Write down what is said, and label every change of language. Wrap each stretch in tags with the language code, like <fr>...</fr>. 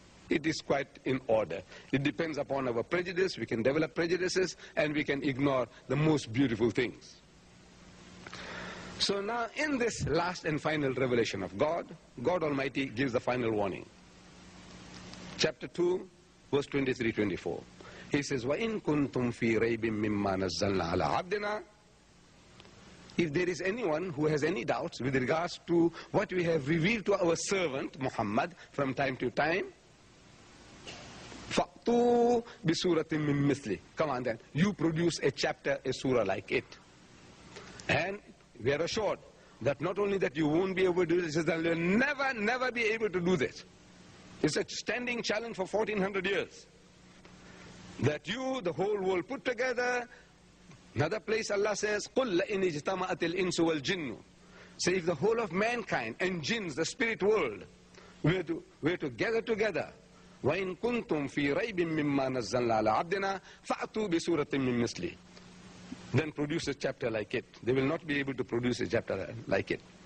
<en>It is quite in order. It depends upon our prejudice. We can develop prejudices and we can ignore the most beautiful things. So now in this last and final revelation of God, God Almighty gives the final warning. Chapter 2, verse 23-24. He says,</en> <ar>وَإِن كُنْتُمْ فِي رَيْبٍ مِمَّا نَزَّلْنَا عَلَىٰ عَبْدِنَا.</ar> <en>If there is anyone who has any doubts with regards to what we have revealed to our servant Muhammad from time to time,</en> <ar>فَأْتُوا بِسُورَةٍ مِّن مِثْلِ.</ar> <en>Come on then, you produce a chapter, a surah like it. And we are assured that not only that you won't be able to do this, but you'll never be able to do this. It's a standing challenge for 1400 years. That you, the whole world put together. Another place Allah says,</en> <ar>قُلْ إِنِ اجْتَمَعَتِ الْإِنْسُ وَالْجِنُّ.</ar> <en>Say, if the whole of mankind and jinns, the spirit world, were to gather together,</en> <ar>وَإِن كُنْتُمْ فِي رَيْبٍ مِمَّا نَزَّلْنَا عَلَىٰ عَبْدِنَا فَأْتُوا بِسُورَةٍ مِّن مِثْلِ.</ar> <en>Then produce a chapter like it. They will not be able to produce a chapter like it.</en>